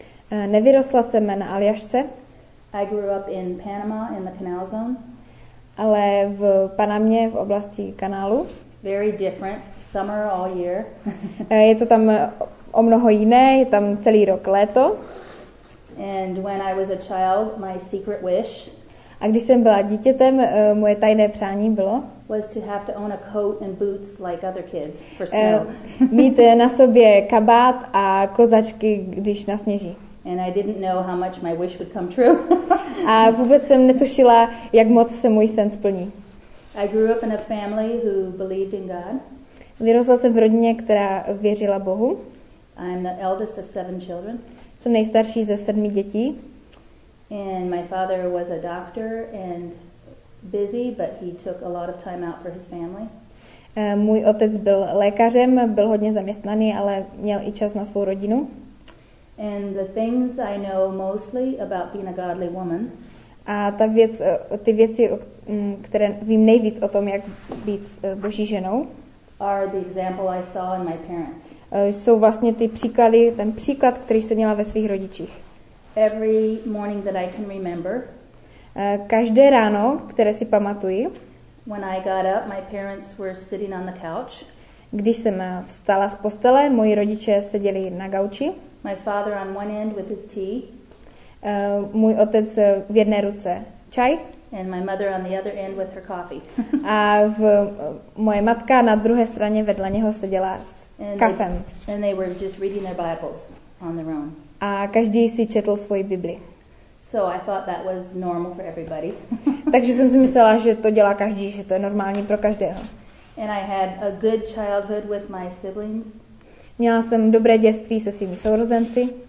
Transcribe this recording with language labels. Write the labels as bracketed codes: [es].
[cs] Nevyrostla jsem na Aljašce. [en] I grew up in Panama in the canal zone. [cs] Ale v Panamě, v oblasti kanálu. [en] Very different, summer all year. [cs] Je to tam o mnoho jiné, je tam celý rok léto. [en] And when I was a child, my secret wish. [cs] A když jsem byla dítětem, moje tajné přání bylo [en] was to have to own a coat and boots like other kids for snow. [cs] Mít na sobě kabát a kozačky, když nasněží. [en] And I didn't know how much my wish would come true. [cs] A vůbec jsem netušila, jak moc se můj sen splní. [en] I grew up in a family who believed in God. [cs] Vyrostla jsem v rodině, která věřila Bohu. [en] I'm the eldest of seven children. [cs] Jsem nejstarší ze sedmi dětí. [en] And my father was a doctor and busy, but he took a lot of time out for his family. [cs] Můj otec byl lékařem, byl hodně zaměstnaný, ale měl i čas na svou rodinu. [en] And the things I know mostly about being a godly woman. [cs] A ta věc, ty věci, které vím nejvíc o tom, jak být Boží ženou, [en] are the example I saw in my parents. [cs] Jsou vlastně ty příklady, ten příklad, který jsem měla ve svých rodičích. [en] Every morning that I can remember. [cs] Každé ráno, které si pamatuji. [en] When I got up, my parents were sitting on the couch. [cs] Když jsem vstala z postele, moji rodiče seděli na gauči. [en] My father on one end with his tea. [cs] Můj otec v jedné ruce čaj. [en] And my mother on the other end with her coffee. [cs] A moje matka na druhé straně vedle něho seděla s kafem. [en] And they were just reading their Bibles on their own. [cs] A každý si četl svoji Bibli. [en] So I thought that was normal for everybody. [cs] Takže jsem si myslela, že to dělá každý, že to je normální pro každého. [en] And I had a good childhood with my siblings. [cs] Měla jsem dobré dětství se svými sourozenci.